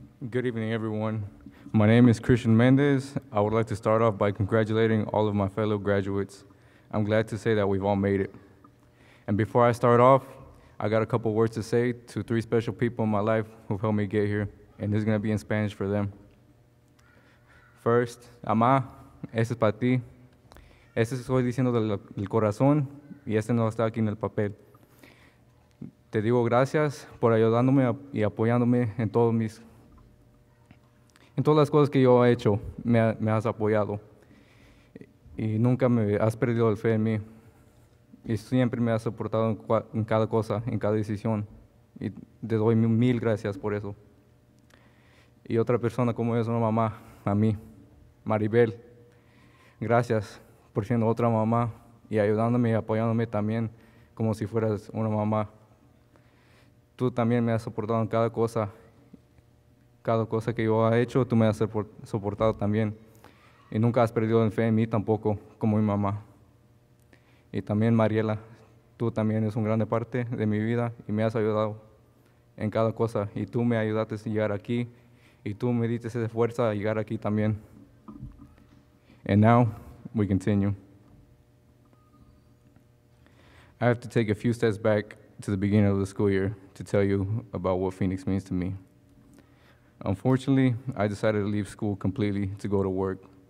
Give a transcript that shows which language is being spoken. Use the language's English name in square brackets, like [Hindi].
[English] Good evening, everyone. My name is Christian Mendez. I would like to start off by congratulating all of my fellow graduates. I'm glad to say that we've all made it. And before I start off, I got a couple words to say to three special people in my life who've helped me get here, and this is gonna be in Spanish for them. [Spanish] First, Amá, este es para ti. Este estoy diciendo del corazón, y este no está aquí en el papel. Te digo gracias por ayudándome y apoyándome en todos mis En todas las cosas que yo he hecho, me has apoyado. Y nunca me has perdido la fe en mí. Y siempre me has soportado en cada cosa, en cada decisión. Y te doy mil gracias por eso. Y otra persona como es una mamá, a mí, Maribel. Gracias por siendo otra mamá y ayudándome y apoyándome también como si fueras una mamá. Tú también me has soportado en cada cosa. Cada cosa que yo he hecho, tú me has soportado también. Y nunca has perdido la fe en mí tampoco, como mi mamá. Y también, Mariela, tú también eres una gran parte de mi vida y me has ayudado en cada cosa. Y tú me ayudaste a llegar aquí y tú me diste esa fuerza a llegar aquí también. [English] And now, we continue. I have to take a few steps back to the beginning of the school year to tell you about what Phoenix means to me. Unfortunately, I decided to leave school completely to go to work.